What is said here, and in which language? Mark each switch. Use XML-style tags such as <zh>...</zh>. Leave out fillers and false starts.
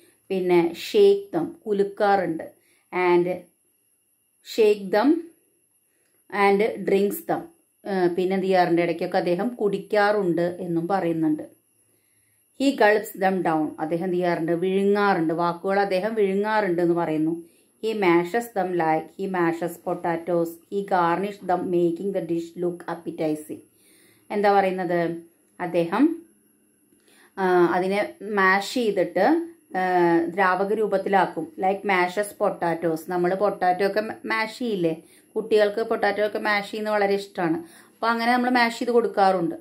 <ml>പിന്നെ shake dum, കുലുക്കാറുണ്ട്.</ml> <en>and shake them and drinks them,</en> <ml>പിന്നെ എന്ത് ചെയ്യാറുണ്ട്, ഇടയ്ക്കൊക്കെ അദ്ദേഹം കുടിക്കാറുണ്ട് എന്നും പറയുന്നുണ്ട്.</ml> <en>He gulps them down,</en> <ml>അദ്ദേഹം എന്ത് ചെയ്യാറുണ്ട്, വിഴുങ്ങാറുണ്ട്, വാക്കുകൾ അദ്ദേഹം വിഴുങ്ങാറുണ്ട് എന്ന് പറയുന്നു.</ml> <en>He mashes them like he mashes potatoes, he garnishes them making the dish look appetizing.</en> <ml>എന്താ പറയുന്നത്, അദ്ദേഹം അതിനെ മാഷ് ചെയ്തിട്ട് ദ്രാവക രൂപത്തിലാക്കും.</ml> <en>like mashes potatoes,</en> <ml>നമ്മൾ പൊട്ടാറ്റോ ഒക്കെ മാഷ് ചെയ്യില്ലേ, കുട്ടികൾക്ക് പൊട്ടാറ്റോ ഒക്കെ മാഷ് ചെയ്യുന്നത് വളരെ ഇഷ്ടമാണ്, അപ്പം അങ്ങനെ നമ്മൾ മാഷ് ചെയ്ത് കൊടുക്കാറുണ്ട്.</ml>